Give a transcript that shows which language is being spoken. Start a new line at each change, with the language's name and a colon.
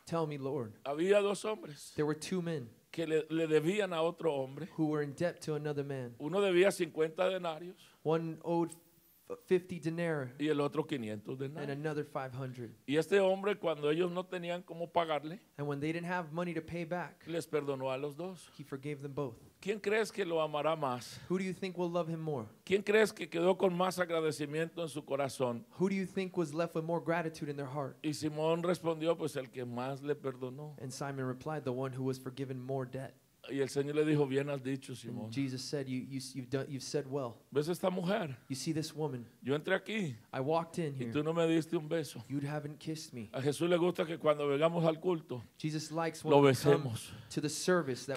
English: Tell me, Lord.
Spanish: Había dos hombres.
English: There were two men.
Spanish: Que le debían a otro hombre.
English: Who were in debt to another man.
Spanish: Uno debía 50 denarios.
English: One owed 50 denarios.
Spanish: Y el otro 500 denarios.
English: And another 500.
Spanish: Y este hombre, cuando ellos no tenían cómo pagarle.
English: And when they didn't have money to pay back.
Spanish: Les perdonó a los dos.
English: He forgave them both.
Spanish: ¿Quién crees que lo amará más?
English: Who do you think will love him more?
Spanish: ¿Quién crees que quedó con más agradecimiento en su corazón?
English: Who do you think was left with more gratitude in their heart?
Spanish: Y Simón respondió, pues el que más le perdonó.
English: And Simon replied, the one who was forgiven more debt.
Spanish: Y el Señor le dijo, bien has dicho, Simón.
English: Jesus said, you've said well.
Spanish: ¿Ves esta mujer?
English: You see this woman.
Spanish: Yo entré aquí.
English: I walked in here.
Spanish: Y tú no me diste un beso.
English: You haven't kissed me.
Spanish: A Jesús le gusta que cuando vengamos al culto,
English: Jesus likes when we come to the service that